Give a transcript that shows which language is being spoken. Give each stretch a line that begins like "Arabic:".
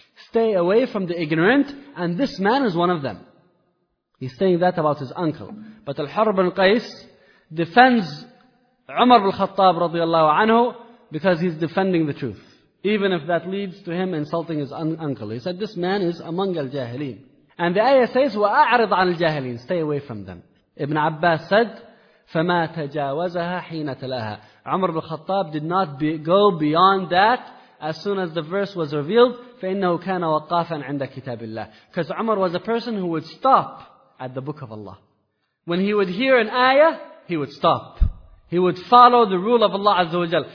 English: Stay away from the ignorant, and this man is one of them. He's saying that about his uncle. But Al-Hur bin Qais defends Umar al-Khattab radiallahu anhu because he's defending the truth. Even if that leads to him insulting his uncle. He said, this man is among al-jahileen. And the ayah says,
Arabic: وَأَعْرِضْ عَنِ الْجَاهِلِينَ.
English: Stay away from them.
Arabic: Ibn Abbas
English: said,
Arabic: فَمَا تَجَاوَزَهَا حِينَ تَلَاهَا.
English: Umar al-Khattab did not go beyond that as soon as the verse was revealed.
Arabic: فَإِنَّهُ كَانَ وَقَافًا عِنْدَ كِتَابِ اللَّهِ.
English: Because Umar was a person who would stop at the book of Allah. When he would hear an ayah, he would stop. He would follow the rule of Allah Azza wa Jal.